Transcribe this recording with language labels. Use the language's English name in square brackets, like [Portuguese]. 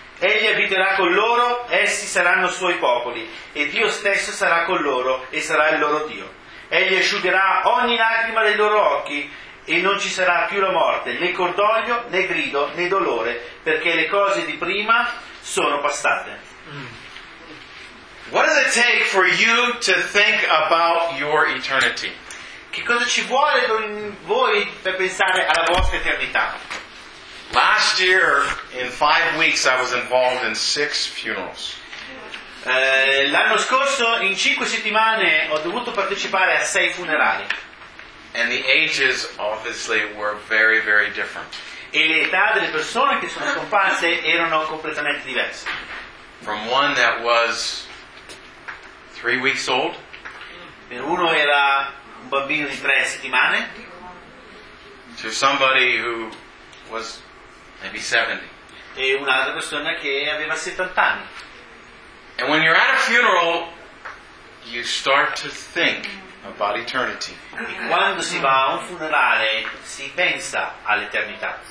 [Italian] Egli abiterà con loro, essi saranno suoi popoli, e Dio stesso sarà con loro e sarà il loro Dio. Egli asciugherà ogni lacrima dai loro occhi e non ci sarà più la morte, né cordoglio, né grido, né dolore, perché le cose di prima sono passate. [English] What does it take for you to think about your eternity? [Italian] Che cosa ci vuole per voi per pensare alla vostra eternità? [English] Last year, in 5 weeks, I was involved in 6 funerals. [Italian] L'anno scorso in 5 settimane ho dovuto partecipare a 6 funerali. [English] And the ages obviously were very, very different. [Italian] E le età delle persone che sono scomparse erano completamente diverse. [English] From one that was 3 weeks old. [Italian] Per uno era un bambino di 3 settimane. [English] To somebody who was maybe 70. [Italian] E un'altra persona che aveva 70 anni. [English] And when you're at a funeral, you start to think about eternity. [Italian] E quando si va a un funerale, si pensa all'eternità.